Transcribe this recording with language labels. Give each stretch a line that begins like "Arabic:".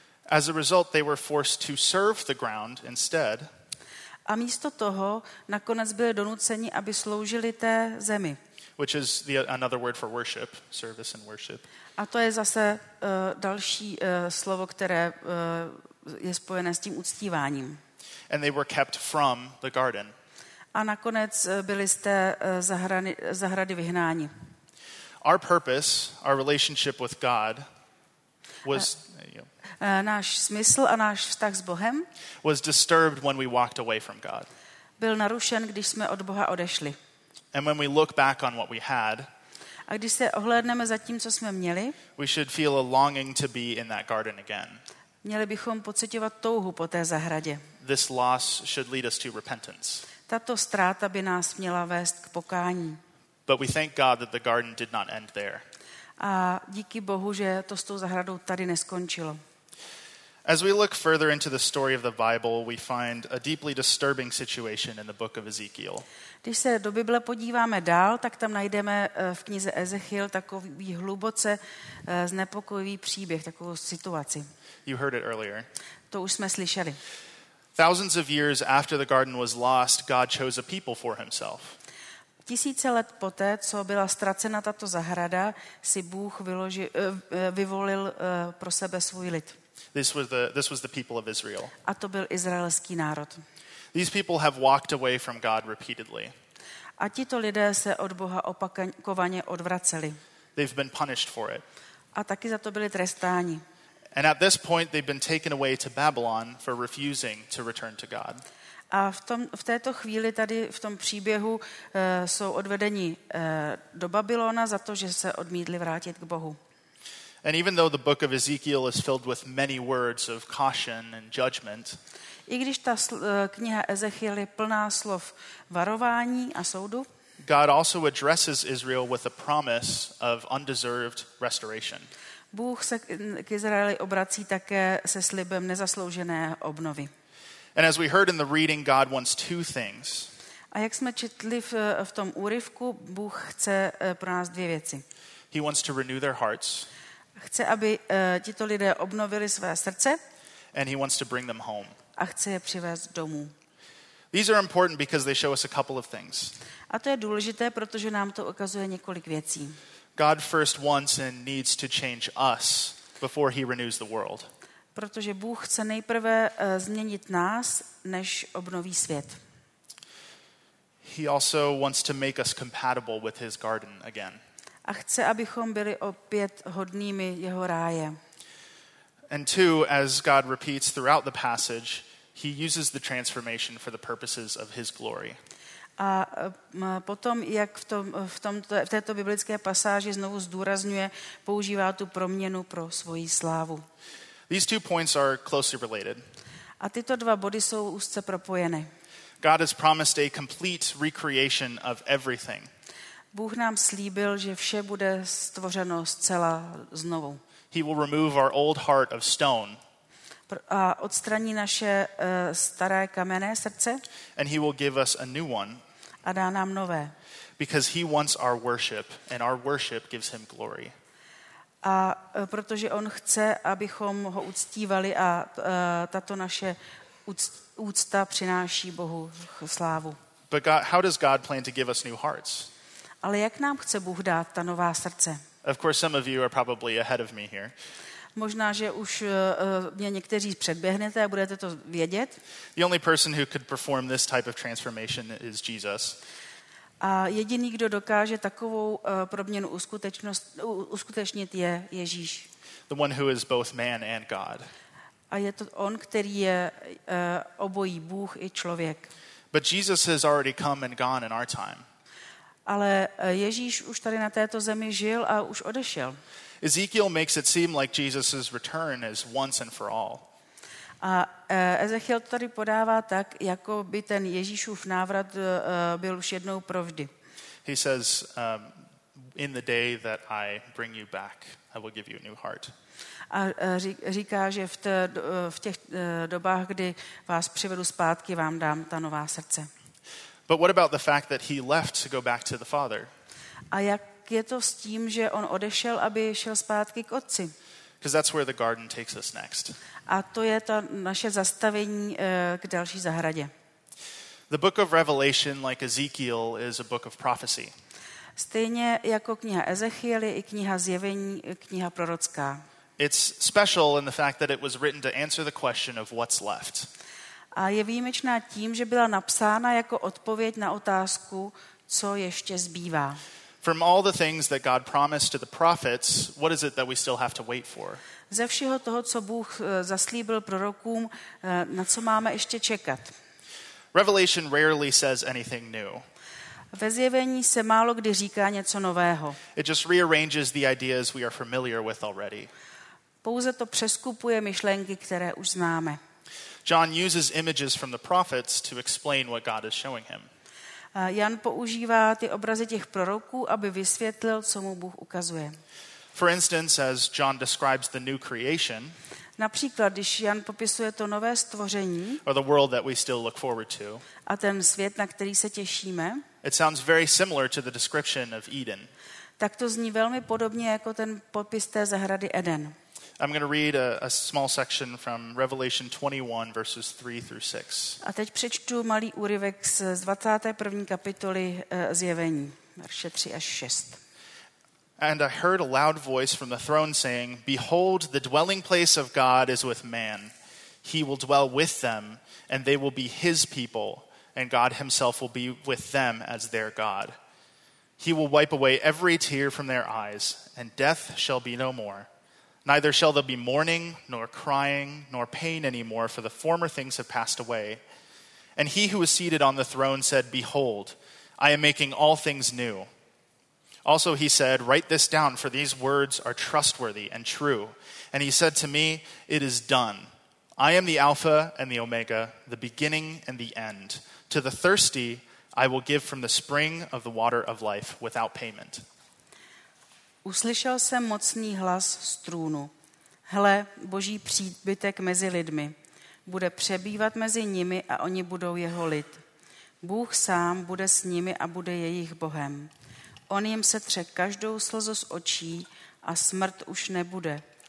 English: As a result, they were forced to serve the ground instead.
Czech: A místo toho nakonec byli donuceni, aby sloužili té zemi.
English: Which is the, another word for worship, service and worship.
Czech: A to je zase další slovo, které je spojené s tím uctíváním.
English: And they were kept from the garden.
Czech: A nakonec byli z té zahrady vyhnáni.
English: Our purpose, our relationship with God was
Czech: náš smysl a náš vztah s Bohem
English: was disturbed when we walked away from God.
Czech: Byl narušen, když jsme od Boha odešli.
English: And when we look back on what we had,
Czech: a když se ohlédneme za tím, co jsme měli,
English: we should feel a longing to be in that garden again.
Czech: Měli bychom pocitovat touhu po té zahradě.
English: This loss should lead us to repentance.
Czech: Tato ztráta by nás měla vést k pokání.
English: But we thank God that the garden did not end there.
Czech: A díky Bohu, že to s tou zahradou tady neskončilo.
English: As we look further into the story of the Bible, we find a deeply disturbing situation in the book of Ezekiel.
Czech: Když se do Bible podíváme dál, tak tam najdeme v knize Ezechiel takový hluboce znepokojivý příběh, takovou situaci.
English: You heard it earlier.
Czech: To už jsme slyšeli.
English: Thousands of years after the garden was lost, God chose a people for himself.
Czech: Tisíce let poté, co byla ztracena tato zahrada, si Bůh vyvolil pro sebe svůj lid.
English: This was the people of Israel.
Czech: A to byl izraelský národ.
English: These people have walked away from God repeatedly.
Czech: A tito lidé se od Boha opakovaně odvraceli.
English: They've been punished for it.
Czech: A taky za to byli trestáni.
English: And at this point they've been taken away to Babylon for refusing to return to God.
Czech: A v této chvíli tady v tom příběhu jsou odvedeni do Babylona za to, že se odmítli vrátit k Bohu.
English: And even though the book of Ezekiel is filled with many words of caution and judgment,
Czech: i když ta kniha Ezechiel je plná slov varování a soudu,
English: God also addresses Israel with a promise of undeserved restoration.
Czech: Bůh se k Izraeli obrací také se slibem nezasloužené obnovy.
English: And as we heard in the reading, God wants two things.
Czech: A jak jsme četli v tom úryvku, Bůh chce pro nás dvě věci.
English: He wants to renew their hearts.
Czech: Chce, aby tito lidé obnovili své srdce.
English: And he wants to bring them home.
Czech: A chce je přivést domů.
English: These are important because they show us a couple of things.
Czech: A to je důležité, protože nám to ukazuje několik věcí.
English: God first wants and needs to change us before he renews the world.
Czech: Protože Bůh chce nejprve změnit nás, než obnoví svět.
English: He also wants to make us compatible with his garden again.
Czech: A chce, abychom byli opět hodnými jeho ráje.
English: And two, as God repeats throughout the passage, he uses the transformation for the purposes of his glory.
Czech: A potom, jak v této biblické pasáži znovu zdůrazňuje, používá tu proměnu pro svoji slávu.
English: These two points are closely related.
Czech: A tyto dva body jsou úzce propojeny.
English: God has promised a complete recreation of everything.
Czech: Bůh nám slíbil, že vše bude stvořeno zcela znovu.
English: He will remove our old heart of stone.
Czech: A odstraní naše staré kamenné srdce.
English: And he will give us a new one.
Czech: a dá nám nové.
English: Because he wants our worship and our worship gives him glory.
Czech: A protože on chce, abychom ho uctívali a tato naše úcta přináší Bohu slávu.
English: But God, how does God plan to give us new hearts?
Czech: Ale jak nám chce Bůh dát ta nová srdce?
English: Of course some of you are probably ahead of me here.
Czech: Možná, že už mě někteří předběhnete a budete to vědět.
English: The only person who could perform this type of transformation is Jesus.
Czech: A jediný, kdo dokáže takovou proměnu uskutečnit, je Ježíš.
English: The one who is both man and God.
Czech: A je to on, který je obojí Bůh i člověk.
English: But Jesus has already come and gone in our time.
Czech: Ale Ježíš už tady na této zemi žil a už odešel.
English: Ezekiel makes it seem like Jesus's return is once and for all.
Czech: A Ezechiel to tady podává tak, jako by ten Ježíšův návrat byl už jednou provždy.
English: He says, in the day that I bring you back, I will give you a new heart.
Czech: A říká, že v těch dobách, kdy vás přivedu zpátky, vám dám ta nová srdce.
English: But what about the fact that he left to go back to the Father?
Czech: A jak je to s tím, že on odešel, aby šel zpátky k Otci?
English: Because that's where the garden takes us next.
Czech: A to je to naše zastavení k další zahradě.
English: The book of Revelation, like Ezekiel, is a book of prophecy.
Czech: Stejně jako kniha Ezechiel, je i kniha Zjevení, kniha prorocká.
English: It's special in the fact that it was written to answer the question of what's left.
Czech: A je výjimečná tím, že byla napsána jako odpověď na otázku, co ještě zbývá.
English: From all the things that God promised to the prophets, what is it that we still have to wait for?
Czech: Ze všeho toho, co Bůh zaslíbil prorokům, na co máme ještě čekat?
English: Revelation rarely says anything new.
Czech: Ve zjevení se málo kdy říká něco nového.
English: It just rearranges the ideas we are familiar with already.
Czech: Pouze to přeskupuje myšlenky, které už známe.
English: John uses images from the prophets to explain what God is showing him.
Czech: Jan používá ty obrazy těch proroků, aby vysvětlil, co mu Bůh ukazuje.
English: For instance, as John describes the new creation,
Czech: například, když Jan popisuje to nové stvoření,
English: or the world that we still look forward to,
Czech: a ten svět, na který se těšíme,
English: it sounds very similar to the description of Eden.
Czech: Tak to zní velmi podobně jako ten popis té zahrady Eden.
English: I'm going to read a small section from Revelation 21 verses 3 through 6.
Czech: A teď přečtu malý úryvek z 21. kapitoly Zjevení, verše 3 až 6.
English: And I heard a loud voice from the throne saying, "Behold, the dwelling place of God is with man. He will dwell with them, and they will be his people, and God himself will be with them as their God. He will wipe away every tear from their eyes, and death shall be no more. Neither shall there be mourning, nor crying, nor pain any more, for the former things have passed away. And he who was seated on the throne said, Behold, I am making all things new. Also he said, Write this down, for these words are trustworthy and true. And he said to me, It is done. I am the Alpha and the Omega, the beginning and the end. To the thirsty I will give from the spring of the water of life without payment."
Czech: Uslyšel jsem mocný hlas z trůnu. Hle, Boží příbytek mezi lidmi. Bude přebývat mezi nimi a oni budou jeho lid. Bůh sám bude s nimi a bude jejich Bohem. On jim setře každou slzu z očí a smrt už nebude.